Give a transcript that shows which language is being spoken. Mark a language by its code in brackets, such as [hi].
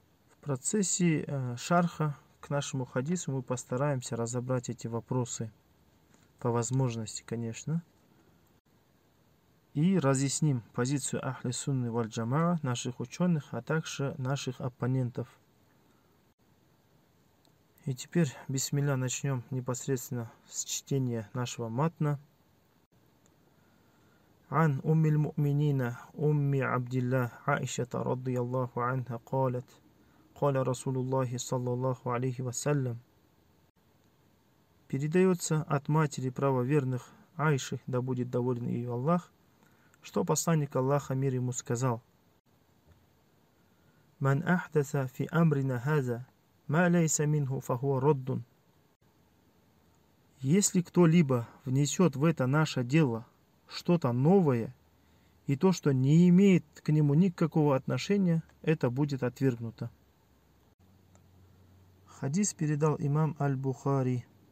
[ru] В процессе шарха к нашему хадису мы постараемся разобрать эти вопросы по возможности, конечно, и разъясним позицию Ахли Сунны валь Джамаа, наших ученых, а также наших оппонентов. И теперь, бисмилля, начнем непосредственно с чтения нашего матна. [ar] عن أم المؤمنين أم عبد الله عائشة رضي الله عنها قالت قال رسول الله صلى الله عليه وسلم [ru] передается от матери правоверных Аиши, да будет доволен ее Аллах, что посланник Аллаха мир ему сказал: [ar] من أحدث في أمرنا هذا ما ليس منه فهو رد. [ru] Если кто-либо внесет в это наше дело что-то новое, и то, что не имеет к нему никакого отношения, это будет отвергнуто. Хадис передал имам Аль-Бухари.